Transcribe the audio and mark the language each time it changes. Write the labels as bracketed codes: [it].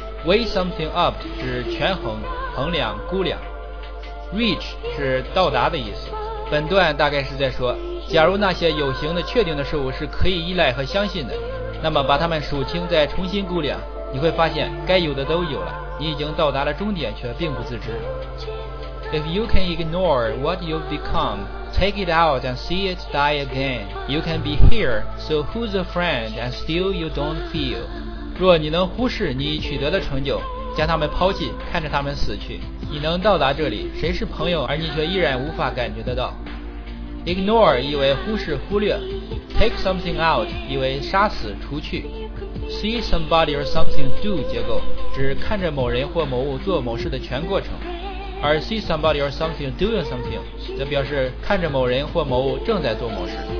[zh] Weigh something up 指权衡、衡量、估量。 Reach 是到达的意思。本段大概是在说，假如那些有形的、确定的事物是可以依赖和相信的，那么把它们数清再重新估量，你会发现该有的都有了，你已经到达了终点却并不自知。 [en] If you can ignore what you've become, take it out and see it die again. You can be here, so who's a friend and still you don't feel. [zh] 若你能忽视你取得的成就，将他们抛弃，看着他们死去，你能到达这里，谁是朋友而你却依然无法感觉得到。 Ignore 意为忽视、忽略。 [en] Take something out [zh] 意为杀死、除去。 [en] See somebody or something do [zh] 结构指看着某人或某物做某事的全过程，而 [en] see somebody or something doing something [zh] 则表示看着某人或某物正在做某事。